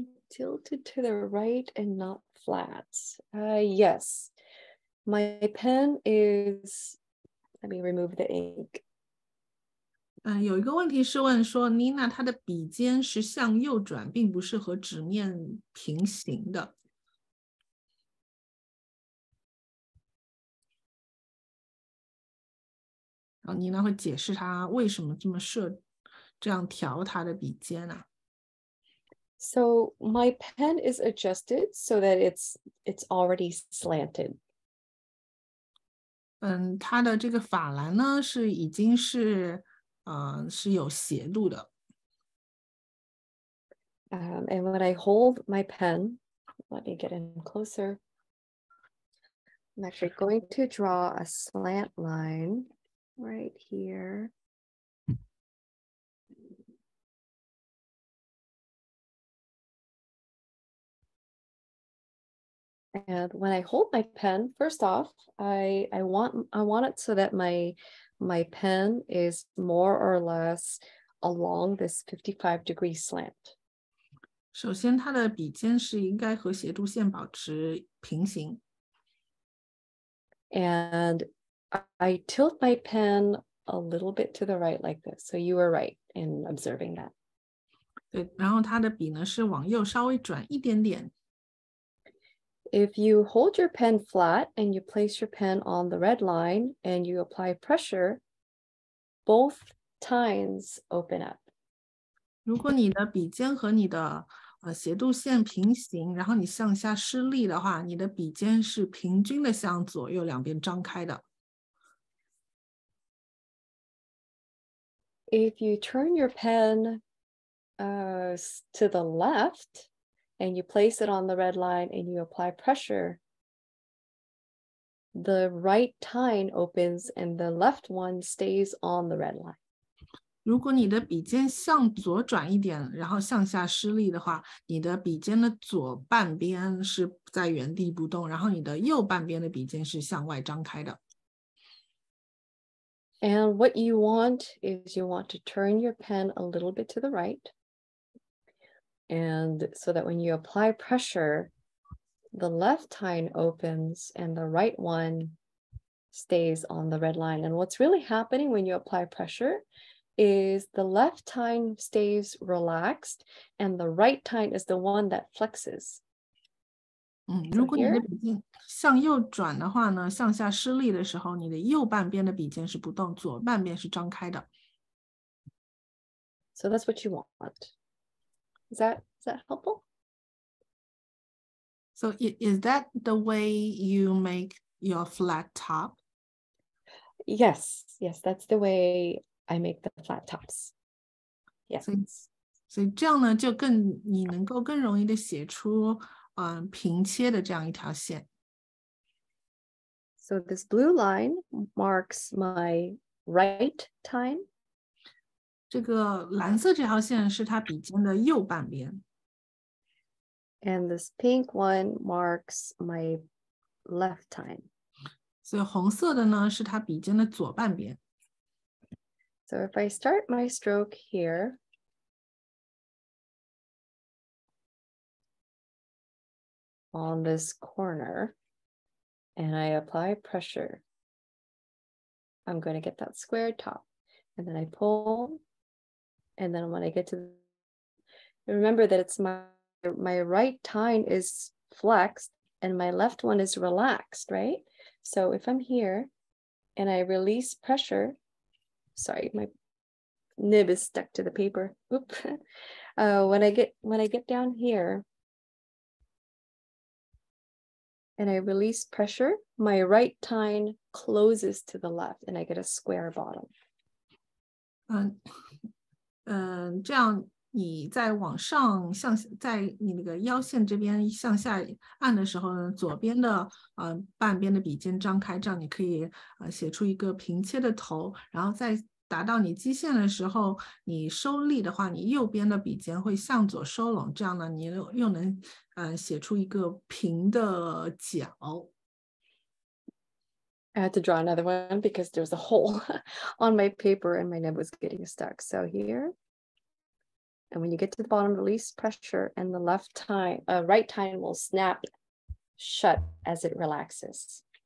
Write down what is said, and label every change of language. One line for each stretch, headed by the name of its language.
English: Tilted to the right and not flat. Yes, my pen is, let me remove the ink.
Chinese: 有一个问题是问说，Nina 她的笔尖是向右转，并不是和纸面平行的。然后妮娜会解释她为什么这么设，这样调她的笔尖呢、
English: So my pen is adjusted so that it's already slanted.
Chinese: 她的这个珐琅呢是已经是，是有斜度的。
English: And when I hold my pen, let me get in closer. I'm actually going to draw a slant line right here. And when I hold my pen, first off, I want it so that my pen is more or less along this 55-degree slant.
Chinese: 首先，它的笔尖是应该和斜度线保持平行。
English: And I tilt my pen a little bit to the right like this. So you were right in observing that.
Chinese: 对，然后它的笔呢是往右稍微转一点点。
English: If you hold your pen flat and you place your pen on the red line and you apply pressure, both tines open up.
Chinese: 如果你的笔尖和你的斜度线平行，然后你向下施力的话，你的笔尖是平均的向左右两边张开的。
English: If you turn your pen, to the left, and you place it on the red line and you apply pressure, the right tine opens and the left one stays on the red line.
Chinese: 如果你的笔尖向左转一点，然后向下施力的话，你的笔尖的左半边是在原地不动，然后你的右半边的笔尖是向外张开的。
English: And what you want is you want to turn your pen a little bit to the right. And so that when you apply pressure, the left tine opens and the right one stays on the red line. And what's really happening when you apply pressure is the left tine stays relaxed and the right tine is the one that flexes.
Chinese: 如
English: So
Chinese: 果你的
English: here.
Chinese: 笔尖向右转的话呢，向下施力的时候，你的右半边的笔尖是不动，左半边是张开的。
English: So that's what you want. Is that helpful? So is that the way you make your flat top? Yes, that's the way I make the flat tops. Yes.
Chinese: 所以这样呢，就更，你能够更容易的写出。平切的这样一条线。
English: So this blue line marks my right time.
Chinese: 这个蓝色这条线是他笔尖的右半边。
English: And this pink one marks my left tine.
Chinese: 所以红色的呢，是他笔尖的左半边。
English: So if I start my stroke here, on this corner, and I apply pressure, I'm going to get that square top. And then I pull, and then when I get to the, remember that it's my right tine is flexed and my left one is relaxed, right? So if I'm here and I release pressure, sorry, my nib is stuck to the paper. Oop. When I get down here, and I release pressure, my right tine closes to the left and I get a square bottom.
Chinese: 这样你在往上向在你那个腰线这边向下按的时候呢，左边的半边的笔尖张开，这样你可以写出一个平切的头，然后再达到你基线的时候，你收力的话，你右边的笔尖会向左收拢，这样呢，你又能写出一个平的角。
English: I had to draw another one because there was a hole on my paper and my nib was getting stuck. So here, and when you get to the bottom, release pressure and the left tine, right tine will snap shut as it relaxes.